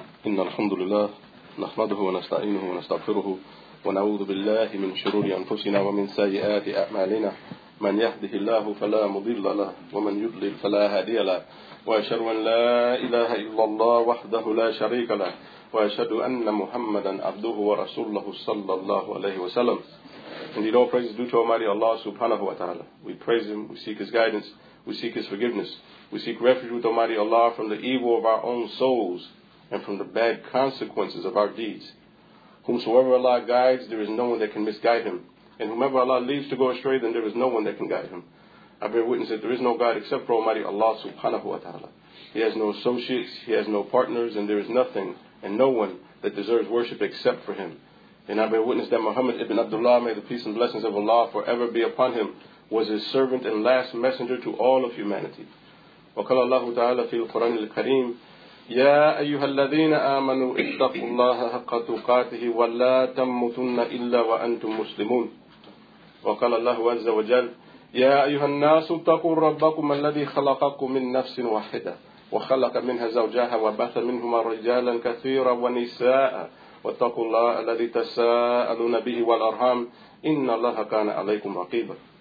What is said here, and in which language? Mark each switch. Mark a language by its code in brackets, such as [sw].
[ar] إن الحمد لله نحمده ونستعينه ونستغفره ونعوذ بالله من شرور أنفسنا ومن سيئات أعمالنا. من يهده الله فلا مضل له ومن يضلل فلا هادي له. وأشهد أن لا إله إلا الله وحده لا شريك له وأشهد أن محمدا عبده ورسوله صلى الله عليه وسلم. [en] Indeed, all praise is due to Almighty Allah subhanahu wa ta'ala. We praise Him, we seek His guidance, we seek His forgiveness. We seek refuge with Almighty Allah from the evil of our own souls and from the bad consequences of our deeds. Whomsoever Allah guides, there is no one that can misguide him. And whomever Allah leaves to go astray, then there is no one that can guide him. I bear witness that there is no God except for Almighty Allah subhanahu wa ta'ala. He has no associates, he has no partners, and there is nothing and no one that deserves worship except for him. And I bear witness that Muhammad ibn Abdullah, may the peace and blessings of Allah forever be upon him, was his servant and last messenger to all of humanity. [ar] وقال الله تعالى في القرآن الكريم يا أيها الذين آمنوا اتقوا الله حق تقاته ولا تموتن إلا وأنتم مسلمون. وقال الله عز وجل يا أيها الناس اتقوا ربكم الذي خلقكم من نفس واحدة وخلق منها زوجها وبث منهما رجالا كثيرا ونساء واتقوا الله الذي تساءلون به والأرحام إن الله كان عليكم رقيبا.